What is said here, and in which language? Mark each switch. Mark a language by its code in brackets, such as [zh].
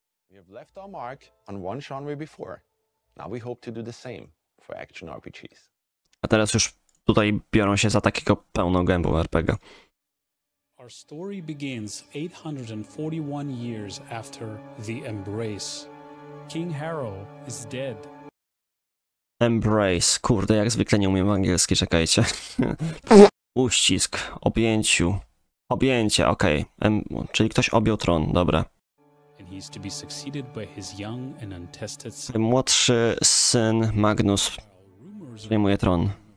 [en] We have left our mark on one genre before, now we hope to do the same for action RPGs. [pl] A teraz już tutaj biorą się za takiego pełną gębą RPG. [en] Our story begins 841 years after the Embrace. King Harrow is dead. Embrace. [pl] Kurde, jak zwykle nie umiem angielski, czekajcie. Uścisk. Objęciu. Objęcie, okej. Czyli ktoś objął tron, dobra. [en] And he is to be succeeded by his young and untested son. [pl] Młodszy syn Magnus przejmuje tron.